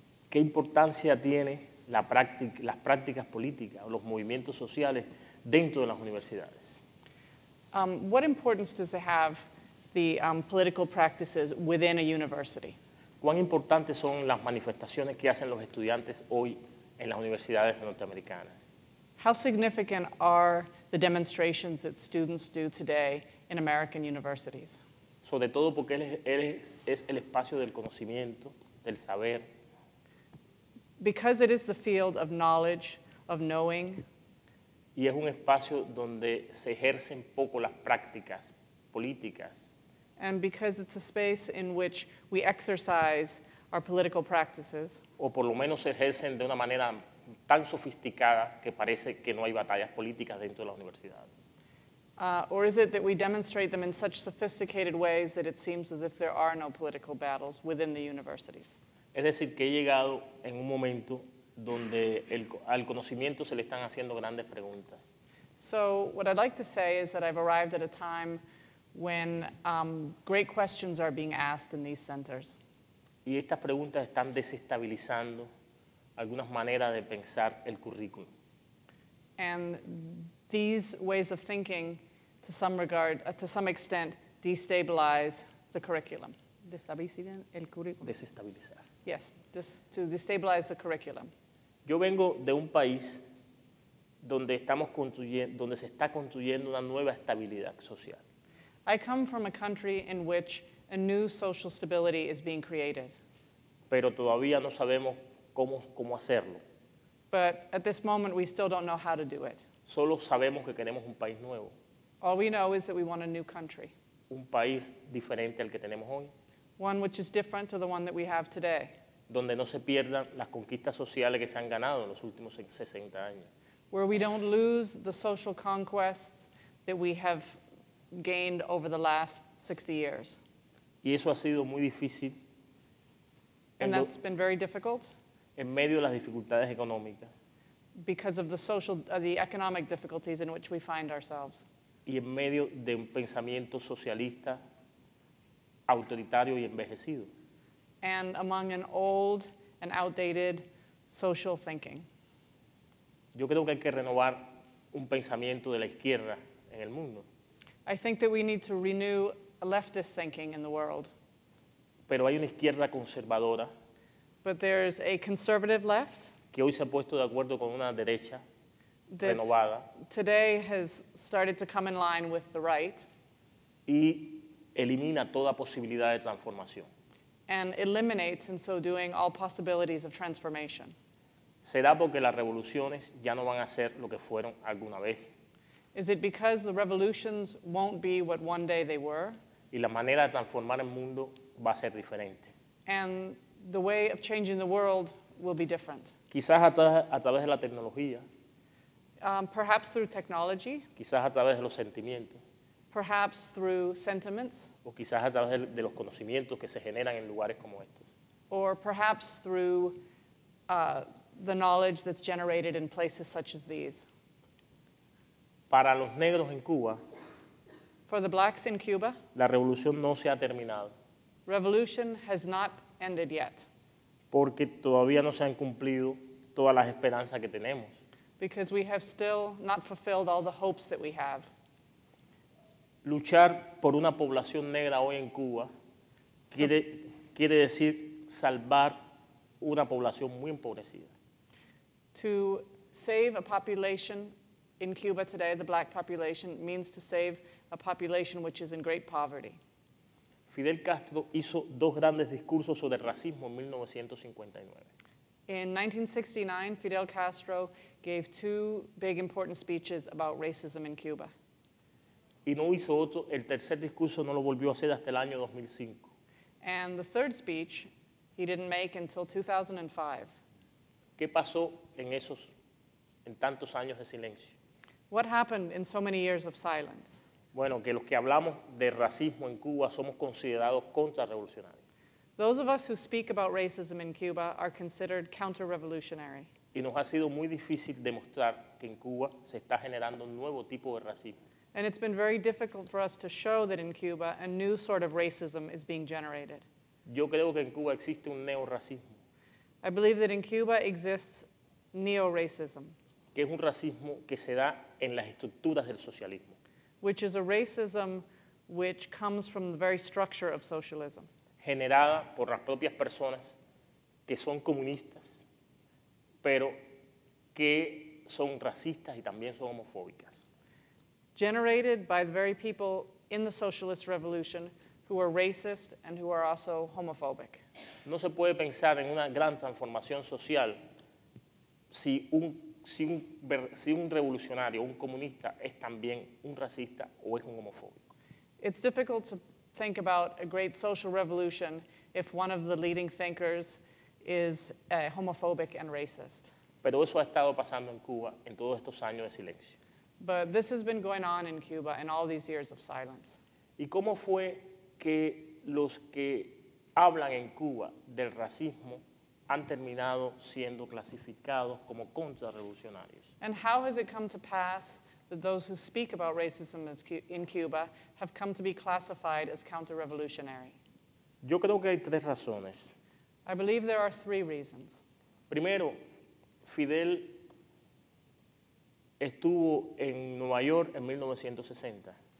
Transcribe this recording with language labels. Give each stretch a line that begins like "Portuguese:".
Spanish: ¿Qué importancia tiene la práctica, las prácticas políticas o los movimientos sociales dentro de las universidades?
English: What importance does it have the political practices within a university?
Spanish: ¿Cuán importantes son las manifestaciones que hacen los estudiantes hoy en las universidades norteamericanas?
English: How significant are the demonstrations that students do today in American universities?
Spanish: Sobre todo porque es el espacio del conocimiento, del saber.
English: Because it is the field of knowledge, of knowing.
Spanish: Y es un espacio donde se ejercen poco las prácticas políticas.
English: And because it's a space in which we exercise our political practices.
Spanish: O por lo menos se ejercen de una manera tan sofisticada que parece que no hay batallas políticas dentro de las universidades.
English: Or is it that we demonstrate them in such sophisticated ways that it seems as if there are no political battles within the universities?
Spanish: Es decir, que he llegado en un momento donde al conocimiento se le están haciendo grandes preguntas.
English: So what I'd like to say is that I've arrived at a time when great questions are being asked in these centers.
Spanish: Y estas preguntas están desestabilizando algunas maneras de pensar el currículum.
English: And these ways of thinking, to some regard, to some extent, destabilize the curriculum.
Spanish: Destabilizan el currículum. Desestabilizar.
English: Yes, to destabilize the curriculum.
Spanish: Yo vengo de un país donde estamos construyendo, donde se está construyendo una nueva estabilidad social.
English: I come from a country in which a new social stability is being created.
Spanish: Pero todavía no sabemos cómo hacerlo.
English: But at this moment we still don't know how to do it.
Spanish: Solo sabemos que queremos un país nuevo.
English: All we know is that we want a new country.
Spanish: Un país diferente al que tenemos hoy.
English: One which is different to the one that we have today.
Spanish: Donde no se pierdan las conquistas sociales que se han ganado en los últimos 60 años.
English: Where we don't lose the social conquests that we have gained over the last 60 years.
Spanish: Y eso ha sido muy difícil.
English: And that's been very difficult.
Spanish: En medio de las dificultades económicas.
English: Because of the social, the economic difficulties in which we find ourselves.
Spanish: Y en medio de un pensamiento socialista, autoritario y envejecido.
English: And among an old and outdated social thinking.
Spanish: Yo creo que hay que renovar un pensamiento de la izquierda en el mundo.
English: I think that we need to renew a leftist thinking in the world.
Spanish: Pero hay una izquierda conservadora.
English: But there's a conservative left
Spanish: que hoy se ha puesto de acuerdo con una derecha renovada.
English: Today has started to come in line with the right.
Spanish: Y elimina toda posibilidad de transformación.
English: And eliminates, in so doing, all possibilities of transformation.
Spanish: ¿Será porque las revoluciones ya no van a ser lo que fueron alguna vez?
English: Is it because the revolutions won't be what one day they were?
Spanish: Y la manera de transformar el mundo va a ser diferente.
English: And the way of changing the world will be different.
Spanish: Quizás a través de la tecnología.
English: Perhaps through technology.
Spanish: Quizás a través de los sentimientos.
English: Perhaps through sentiments.
Spanish: O quizás a través de los conocimientos que se generan en lugares como estos.
English: Or perhaps through the knowledge that's generated in places such as these.
Spanish: Para los negros en Cuba,
English: for the blacks in Cuba,
Spanish: la revolución no se ha terminado.
English: Revolution has not ended yet.
Spanish: Porque todavía no se han cumplido todas las esperanzas que tenemos.
English: Because we have still not fulfilled all the hopes that we have.
Spanish: Luchar por una población negra hoy en Cuba quiere decir salvar una población muy empobrecida.
English: To save a population in Cuba today, the black population, means to save a population which is in great poverty.
Spanish: Fidel Castro hizo dos grandes discursos sobre racismo en 1959.
English: In 1969, Fidel Castro gave two big important speeches about racism in Cuba.
Spanish: Y no hizo otro, el tercer discurso no lo volvió a hacer hasta el año 2005.
English: And the third speech he didn't make until 2005.
Spanish: ¿Qué pasó en esos, en tantos años de silencio?
English: What happened in so many years of silence?
Spanish: Bueno, que los que hablamos de racismo en Cuba somos considerados contrarrevolucionarios.
English: Those of us who speak about racism in Cuba are considered counter-revolutionary.
Spanish: Y nos ha sido muy difícil demostrar que en Cuba se está generando un nuevo tipo de racismo.
English: And it's been very difficult for us to show that in Cuba a new sort of racism is being generated.
Spanish: Yo creo que en Cuba existe un neo-racismo.
English: I believe that in Cuba exists neo-racism.
Spanish: Que es un racismo que se da en las estructuras del socialismo.
English: Which is a racism which comes from the very structure of socialism.
Spanish: Generada por las propias personas que son comunistas, pero que son racistas y también son homofóbicas.
English: Generated by the very people in the socialist revolution who are racist and who are also homophobic.
Spanish: No se puede pensar en una gran transformación social si un revolucionario, un comunista, es también un racista o es un homofóbico.
English: It's difficult to think about a great social revolution if one of the leading thinkers is homophobic and racist.
Spanish: Pero eso ha estado pasando en Cuba en todos estos años de silencio.
English: But this has been going on in Cuba in all these years of silence.
Spanish: ¿Y cómo fue que los que hablan en Cuba del racismo han terminado siendo clasificados como contrarrevolucionarios?
English: And how has it come to pass that those who speak about racism in Cuba have come to be classified as counter-revolutionary?
Spanish: Yo creo que hay tres razones.
English: I believe there are three reasons.
Spanish: Primero, Fidel estuvo en Nueva York en 1960.